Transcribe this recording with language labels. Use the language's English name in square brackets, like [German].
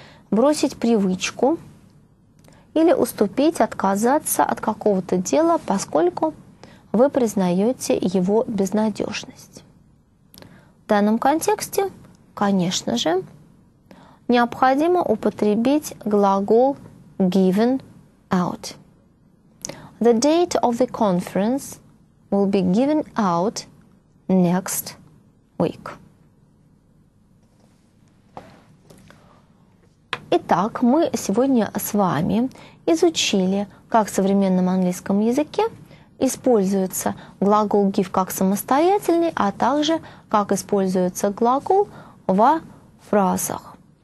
[Russian] Бросить привычку или уступить, отказаться от какого-то дела, поскольку вы признаете его безнадежность. В данном контексте, конечно же, необходимо употребить глагол given out. [English] The date of the conference will be given out next week. [Russian] Итак, мы сегодня с вами изучили, как в современном английском языке используется глагол give как самостоятельный, а также как используется глагол во фразах.